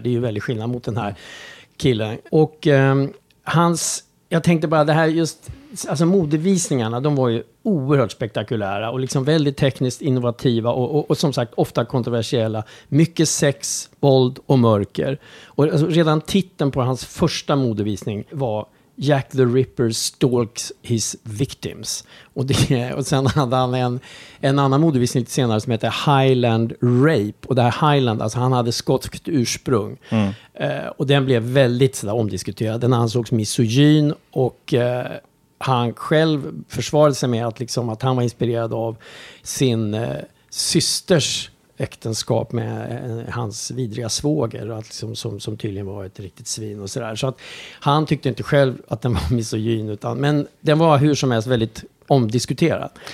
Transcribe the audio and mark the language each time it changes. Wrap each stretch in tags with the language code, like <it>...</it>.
<sv>Det är ju väldigt skillnad mot den här killen. Och hans, jag tänkte bara, det här just, alltså modevisningarna, de var ju oerhört spektakulära och liksom väldigt tekniskt innovativa och som sagt ofta kontroversiella. Mycket sex, våld och mörker. Och alltså, redan titeln på hans första modevisning var</sv> <en>Jack the Ripper stalks his victims.</en> <sv>Och, det, och sen hade han en annan modevisning lite senare som heter Highland Rape. Och det här Highland, alltså han hade skotskt ursprung. Mm. Och den blev väldigt sådär omdiskuterad. Den ansågs misogyn och han själv försvarade sig med att, liksom, att han var inspirerad av sin systers äktenskap med hans vidriga svåger att liksom, som tydligen var ett riktigt svin och sådär. Så att han tyckte inte själv att den var misogyn, utan men den var hur som helst väldigt omdiskuterad.</sv>